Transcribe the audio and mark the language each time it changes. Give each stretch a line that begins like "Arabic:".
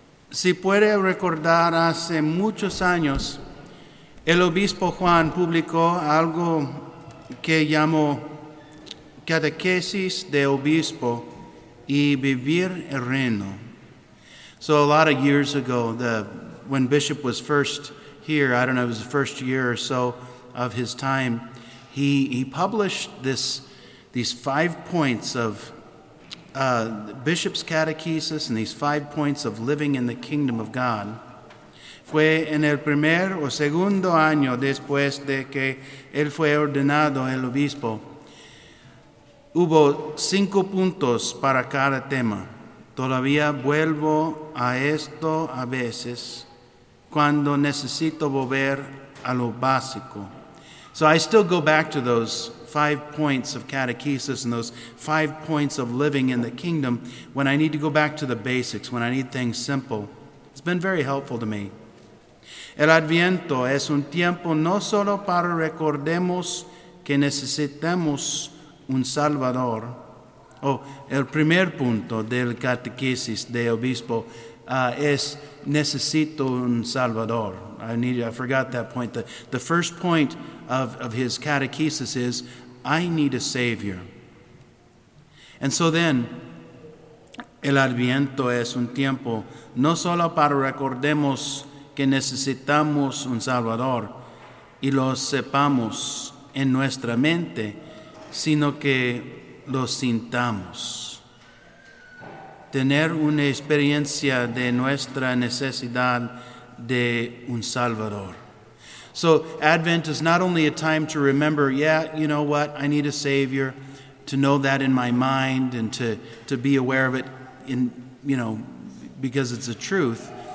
Spanish: Si puede recordar, hace muchos años, el obispo Juan publicó algo que llamó Catequesis de Obispo y Vivir el Reino.
English: So a lot of years ago, when Bishop was first here, I don't know, it was the first year or so of his time, he published these 5 points of Bishop's Catechesis and these 5 points of living in the kingdom of God.
Spanish: Fue en el primer o segundo año después de que él fue ordenado el obispo. Hubo 5 puntos para cada tema. Todavía vuelvo a esto a veces cuando necesito volver a lo básico.
English: So I still go back to those 5 points of catechesis and those 5 points of living in the kingdom when I need to go back to the basics, when I need things simple. It's been very helpful to me.
Spanish: El Adviento es un tiempo no solo para recordemos que necesitamos un Salvador. El primer punto del catequesis de obispo es necesito un Salvador.
English: I forgot that point. The first point of his catechesis is I need a Savior. And so then,
Spanish: el Adviento es un tiempo no solo para recordemos que necesitamos un Salvador y lo sepamos en nuestra mente, sino que lo sintamos. Tener una experiencia de nuestra necesidad de un Salvador.
English: So Advent is not only a time to remember, yeah, you know what, I need a Savior, to know that in my mind and to be aware of it, in you know, because it's a truth.